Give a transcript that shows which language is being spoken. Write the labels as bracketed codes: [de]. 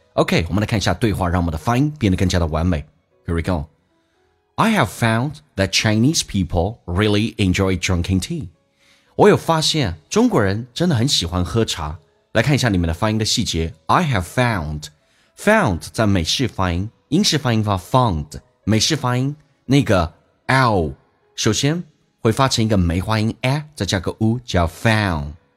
[zh] OK， 我们来看一下对话，让我们的发音变得更加的完美。 [en] Here we go。 I have found that Chinese people really enjoy drinking tea。 [zh] 我有发现中国人真的很喜欢喝茶。来看一下里面的发音的细节。 [en] I have found， [zh] found 在美式发音，英式发音发 found， 美式发音那个 L 首先会发成一个梅花音 a， 再加个 u， 叫 found。